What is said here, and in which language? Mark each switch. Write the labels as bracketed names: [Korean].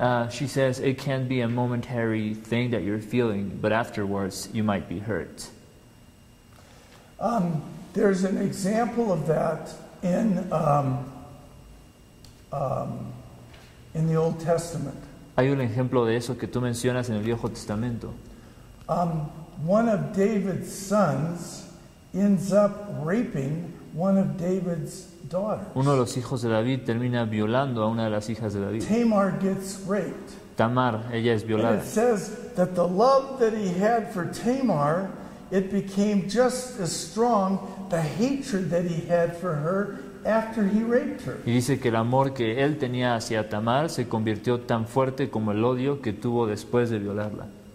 [English] She says it can be a momentary thing that you're feeling, but afterwards you might be hurt. There's an example of that in the Old Testament. [Spanish] Hay un ejemplo de eso que tú mencionas en el Viejo Testamento. [English] One of David's sons ends up raping one of David's daughters. [Spanish] Uno de los hijos de David termina violando a una de las hijas de David. [English] Tamar gets raped. [Spanish] Tamar, ella es violada. [English] And it says that the love that he had for Tamar, it became just as strong the hatred that he had for her after he raped her. [Spanish] Y dice que el amor que él tenía hacia Tamar se convirtió tan fuerte como el odio que tuvo después de violarla.